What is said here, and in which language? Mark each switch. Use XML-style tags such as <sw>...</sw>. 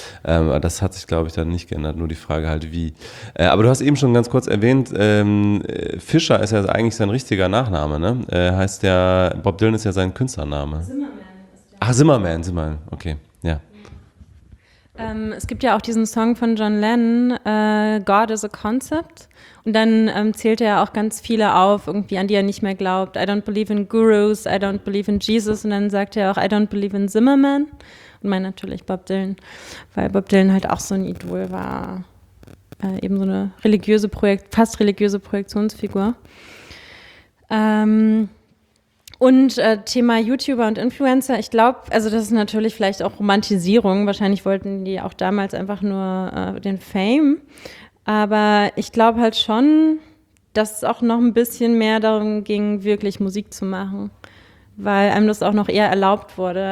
<de>Das hat sich, glaube ich, dann nicht geändert, nur die Frage halt wie. Aber du hast eben schon ganz kurz erwähnt, Fischer ist ja eigentlich sein richtiger Nachname, ne? Heißt der, Bob Dylan ist ja sein Künstlername. Zimmerman, okay, ja. Es gibt ja auch diesen Song von John Lennon, God is a Concept. Und dann zählt er auch ganz viele auf, irgendwie, an die er nicht mehr glaubt.</de> <en>I don't believe in Gurus, I don't believe in Jesus.</en> <de>Und dann sagt er auch,</de> <en>I don't believe in Zimmerman.</en> <de>Und meint natürlich Bob Dylan, weil Bob Dylan halt auch so ein Idol war. Eben so eine religiöse fast religiöse Projektionsfigur. Und Thema YouTuber und Influencer, ich glaube, also das ist natürlich vielleicht auch Romantisierung, wahrscheinlich wollten die auch damals einfach nur den Fame, aber ich glaube halt schon, dass es auch noch ein bisschen mehr darum ging, wirklich Musik zu machen, weil einem das auch noch eher erlaubt wurde.</de>